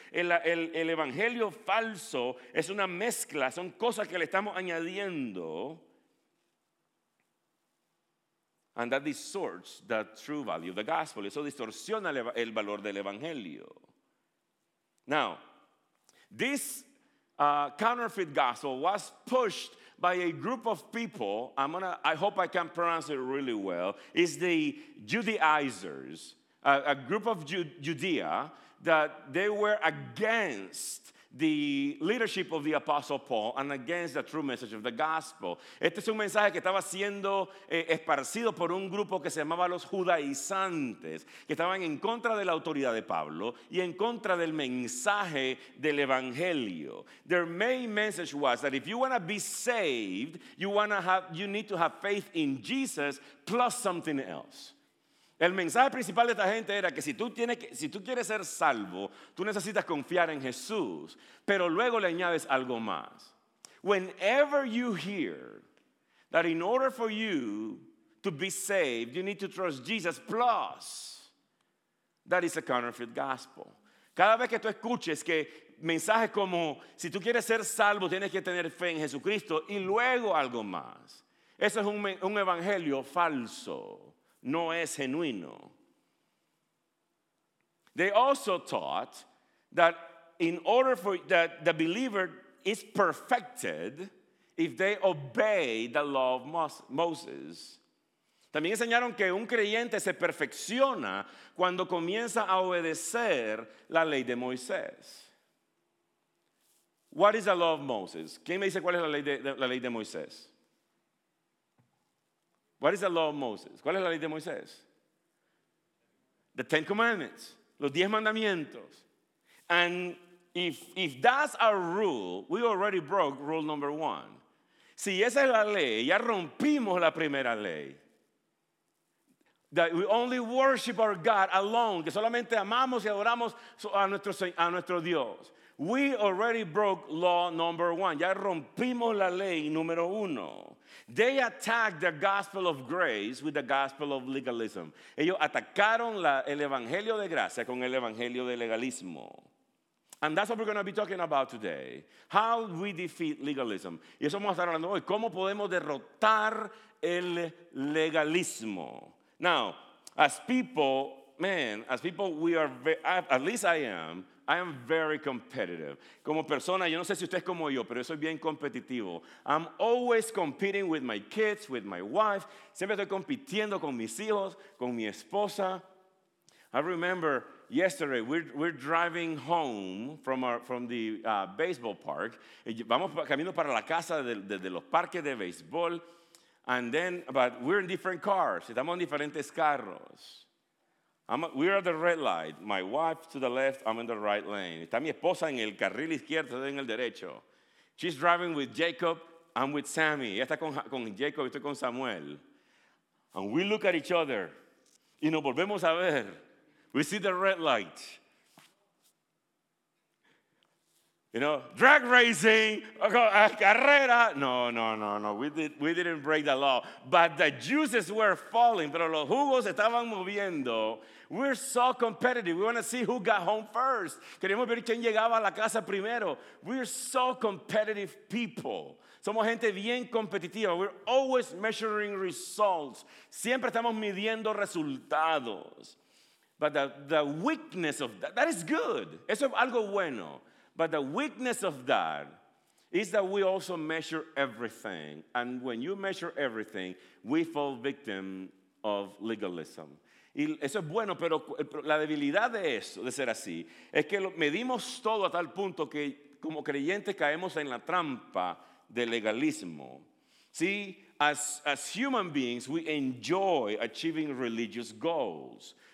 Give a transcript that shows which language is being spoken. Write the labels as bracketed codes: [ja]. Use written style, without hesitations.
[es] El evangelio falso es una mezcla, son cosas que le estamos añadiendo. [en] And that distorts the true value of the gospel. [es] Eso distorsiona el valor del evangelio. [en] Now, this counterfeit gospel was pushed by a group of people. I hope I can pronounce it really well. It's the Judaizers, a group of Judea that they were against the leadership of the Apostle Paul and against the true message of the gospel. [es] Este es un mensaje que estaba siendo esparcido por un grupo que se llamaba los judaizantes, que estaban en contra de la autoridad de Pablo y en contra del mensaje del evangelio. [en] Their main message was that if you want to be saved, you need to have faith in Jesus plus something else. [es] El mensaje principal de esta gente era que si tú quieres ser salvo, tú necesitas confiar en Jesús, pero luego le añades algo más. [en] Whenever you hear that in order for you to be saved, you need to trust Jesus, plus, that is a counterfeit gospel. [es] Cada vez que tú escuches que mensajes como si tú quieres ser salvo, tienes que tener fe en Jesucristo y luego algo más. Eso es un evangelio falso. No es genuino. [en] They also taught that in order for that the believer is perfected if they obey the law of Moses. [es] También enseñaron que un creyente se perfecciona cuando comienza a obedecer la ley de Moisés. [en] What is the law of Moses? [es] ¿Quién me dice cuál es la ley de Moisés? [en] What is the law of Moses? [es] ¿Cuál es la ley de Moisés? [en] The Ten Commandments. [es] Los diez mandamientos. [en] And if that's our rule, we already broke rule number one. [es] Si esa es la ley, ya rompimos la primera ley. [en] That we only worship our God alone, [es] que solamente amamos y adoramos a nuestro Dios. [en] We already broke law number one. [es] Ya rompimos la ley número uno. [en] They attacked the gospel of grace with the gospel of legalism. [es] Ellos atacaron el evangelio de gracia con el evangelio de legalismo. [en] And that's what we're going to be talking about today. How we defeat legalism. [es] Y eso vamos a estar hablando hoy. ¿Cómo podemos derrotar el legalismo? [en] Now, as people, we are, at least I am very competitive. [es] Como persona, yo no sé si usted es como yo, pero soy bien competitivo. [en] I'm always competing with my kids, with my wife. [es] Siempre estoy compitiendo con mis hijos, con mi esposa. [en] I remember yesterday, we're driving home from the baseball park. [es] Vamos camino para la casa de los parques de béisbol. [en] But we're in different cars. [es] Estamos en diferentes carros. [en] We're at the red light. My wife to the left, I'm in the right lane. [es] Está mi esposa en el carril izquierdo, en el derecho. [en] She's driving with Jacob, I'm with Sammy. [es] Ella está con Jacob, estoy con Samuel. [en] And we look at each other. [es] Y nos volvemos a ver. [en] We see the red light. You know, drag racing, carrera. No. We didn't break the law. But the juices were falling. [es] Pero los jugos estaban moviendo. [en] We're so competitive. We want to see who got home first. [es] Queremos ver quién llegaba a la casa primero. [en] We're so competitive people. [es] Somos gente bien competitiva. [en] We're always measuring results. [es] Siempre estamos midiendo resultados. [en] But the weakness of that is good. [es] Eso es algo bueno. [en] But the weakness of that is that we also measure everything. And when you measure everything, we fall victim of legalism. [es] Y eso es bueno, pero la debilidad de eso, de ser así, es que medimos todo a tal punto que como creyentes caemos en la trampa del legalismo. [en] See, as human beings, we enjoy achieving religious goals.